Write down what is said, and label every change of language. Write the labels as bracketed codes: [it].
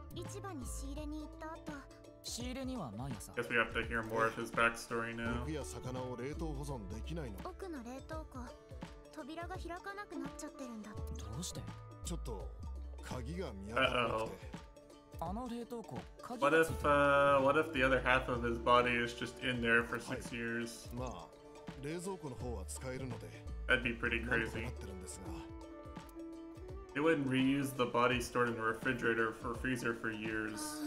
[ja] 市場に仕入れに行った後、仕入れには毎朝。 [en] Guess we have to hear more of his backstory now。 [ja] 肉や魚を冷凍保存できないの。奥の冷凍庫扉が開かなくなっちゃってるんだ。どうして？ちょっと鍵が見当たらなくて。あの冷凍庫、鍵が付いてる。 [en] What if the other half of his body is just in there for six years？ [ja] まあ冷蔵庫の方は使えるので。 [en] That'd be pretty crazy。 [ja] なんとかなってるんですが。 [en] They wouldn't reuse the body stored in the refrigerator for freezer for years.